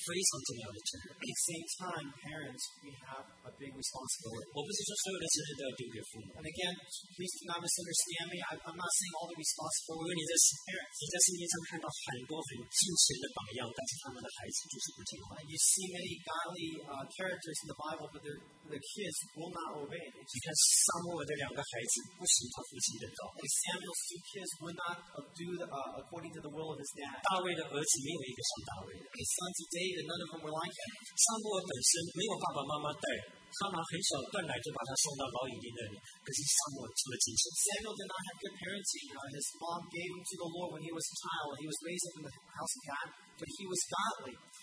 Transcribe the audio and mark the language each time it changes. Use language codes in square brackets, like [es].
[en] the same time, parents, we have a big responsibility. [zh] 我不是说所有的责任都要丢给父母。 [en] And again, please do not misunderstand me. I'm not saying all the responsibility. [zh] 因为你在圣经上看到很多很敬虔的榜样，但是他们的孩子就是不听话。 [en] And you see many godly characters in the Bible, but the kids will not obey. [zh] 你看撒母耳的两个孩子不行他父亲的道。 [en] And Samuel's two kids would not do according to the will of his dad. [zh] 大卫的儿子没有一个像大卫的。 [en] His sons of David, none of them were like him. [zh] 撒母耳本身没有爸爸妈妈带，他们很小断奶就把他送到牢营里那里。可是撒母耳这么精神。Samuel [en] did not have good parenting. His mom gave him to the Lord when he was a child, and he was raised up in the house of God, but he was godly.